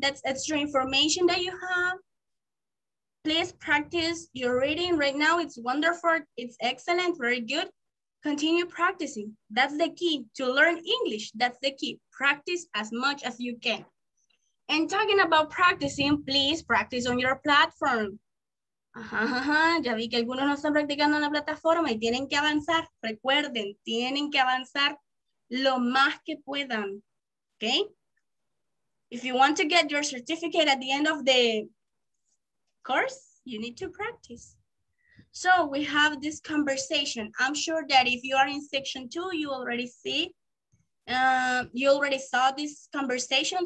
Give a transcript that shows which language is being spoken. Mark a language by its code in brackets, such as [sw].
[en] That's extra information that you have. Please practice your reading right now. It's wonderful. It's excellent. Very good. Continue practicing. That's the key to learn English. That's the key. Practice as much as you can. And talking about practicing, please practice on your platform. [es] Ya vi que algunos no están practicando en la plataforma y tienen que avanzar. Recuerden, tienen que avanzar lo más que puedan. [en] Okay? If you want to get your certificate at the end of the course, you need to practice. So we have this conversation. I'm sure that if you are in section two, you already see, you already saw this conversation.